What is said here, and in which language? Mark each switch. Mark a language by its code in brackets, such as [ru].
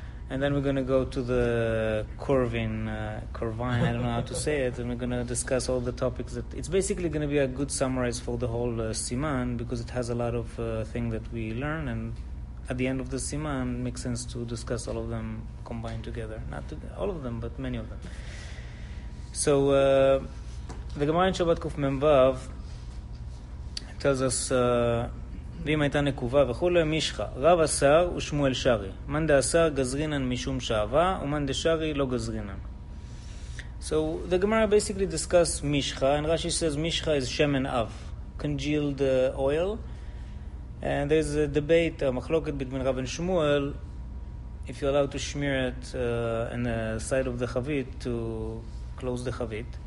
[en] And then we're going to go to the Korvin, I don't know how to say it, and we're going to discuss all the topics that, it's basically going to be a good summarize for the whole Siman, because it has a lot of things that we learn, and at the end of the Siman, it makes sense to discuss all of them combined together. Not all of them, but many of them. So, the Gemara in Shabbat Kuf Mem Vav tells us, [he] ואם הייתה נקובה וכולו, מישחה, רב אסר ושמואל שרי. מן דאסר גזרינן משום שעבה, ומן דשרי לא גזרינן. [en] So, the Gemara basically discusses מישחה, and Rashi says מישחה is שמן אב, congealed oil. And there's a debate, a machloket between Rav and Shmuel, if you're allowed to smear it in the side of the chavit to close the chavit.